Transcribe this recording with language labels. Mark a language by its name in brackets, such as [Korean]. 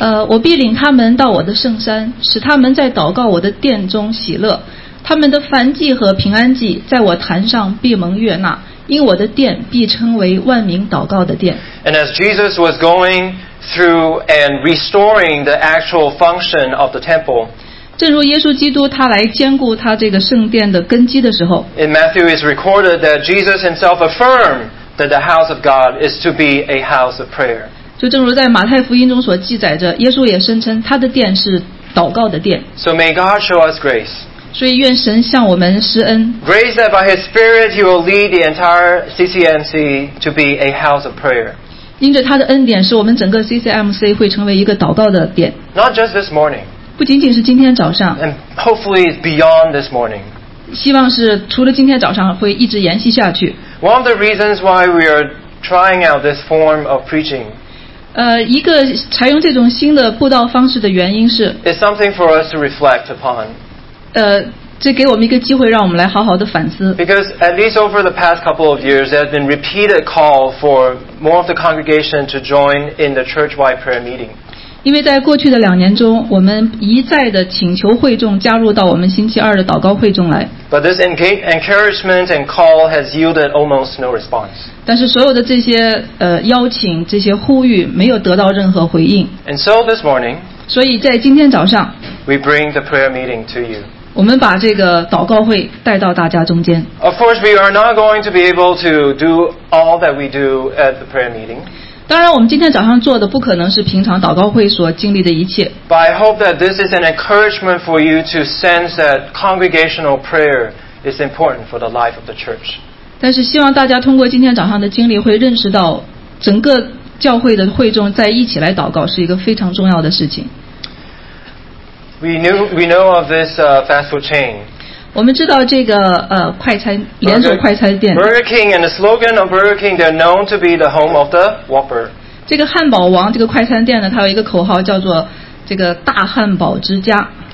[Chinese] 我必领他们到我的圣山，使他们在祷告我的殿中喜乐。他们的燔祭和平安祭在我坛上必蒙悦纳，因我的殿必称为万民祷告的殿。 [English] And as Jesus was going. Through and restoring the actual function of the temple. [Chinese] 正如耶稣基督他来坚固他这个圣殿的根基的时候 [English] In Matthew is recorded that Jesus himself affirmed that the house of God is to be a house of prayer. [Chinese] 就正如在马太福音中所记载着耶稣也声称他的殿是祷告的殿 [English] So may God show us grace. [Chinese] 所以愿神向我们施恩 [English] Grace that by his spirit he will lead the entire CCMC to be a house of prayer. [Chinese] 因着他的恩典，使我们整个 CCMC 会成为一个祷告的点。 [English] Not just this morning. [Chinese] 不仅仅是今天早上。 [English] And hopefully beyond this morning. [Chinese] 希望是除了今天早上，会一直延续下去。 [English] One of the reasons why we are trying out this form of preaching. [Chinese] 一个采用这种新的布道方式的原因是。 [English] It's something for us to reflect upon. [Chinese] 这给我们一个机会，让我们来好好的反思。 [English] Because at least over the past couple of years, there has been repeated call for more of the congregation to join in the church-wide prayer meeting. [Chinese] 因为在过去的两年中，我们一再的请求会众加入到我们星期二的祷告会中来。 [English] But this encouragement and call has yielded almost no response. [Chinese] 但是所有的这些邀请、这些呼吁没有得到任何回应。 [English] And so this morning, [Chinese] 所以在今天早上 [English] we bring the prayer meeting to you. [Chinese] 我们把这个祷告会带到大家中间。 [English] Of course, we are not going to be able to do all that we do at the prayer meeting. [Chinese] 当然，我们今天早上做的不可能是平常祷告会所经历的一切。 [English] But I hope that this is an encouragement for you to sense that congregational prayer is important for the life of the church. [Chinese] 但是，希望大家通过今天早上的经历，会认识到整个教会的会众在一起来祷告是一个非常重要的事情。 [English] We know of this fast food chain. [Chinese] 我们知道这个快餐连锁快餐店。 [English] Burger King and the slogan of Burger King, they're known to be the home of the Whopper. [Chinese] 这个汉堡王这个快餐店呢，它有一个口号叫做这个大汉堡之家。